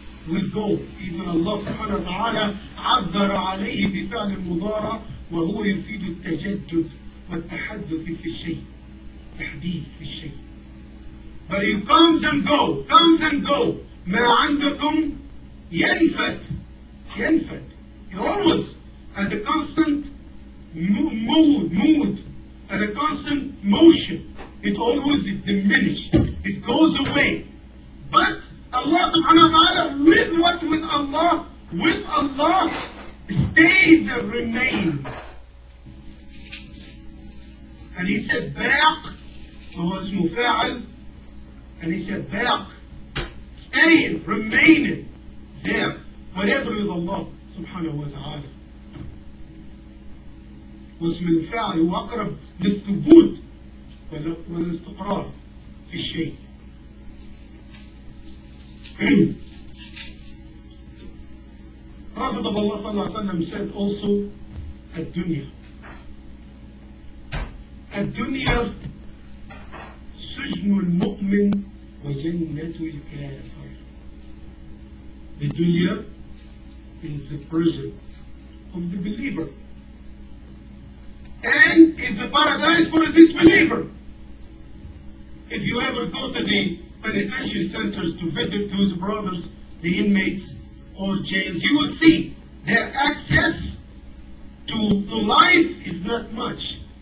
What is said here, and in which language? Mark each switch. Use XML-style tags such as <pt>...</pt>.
<ar>والذوق، إذا الله سبحانه وتعالى عبر عليه بفعل المضارع وهو يفيد التجدد والتحدث في الشيء، تحديث في الشيء.</ar> <en>But you come and go, come and go.</en> <ar>ما عندكم ينفد، ينفد.</ar> <en>You're always at a constant mood, mood, at a constant motion. It always is diminished. It goes away. But Allah subhanahu wa ta'ala with what? With Allah stays and remains. And he said, Baq,</en> <ar>وهو اسمه فاعل.</ar> <en>And he said, Baq, staying, remaining there. Whatever is Allah subhanahu wa ta'ala.</en> <ar>واسم الفاعل هو أقرب للثبوت والاستقرار في الشيء. رافض الله صلى الله عليه وسلم</ar> <en>said also</en> <ar>الدنيا. الدنيا سجن المؤمن وجنة الكافر.</ar> <en>The dunya is the prison of the believer. And it's a paradise for a disbeliever. If you ever go to the penitentiary centers to visit those brothers, the inmates, or jails, you will see their access to life is not much.</en>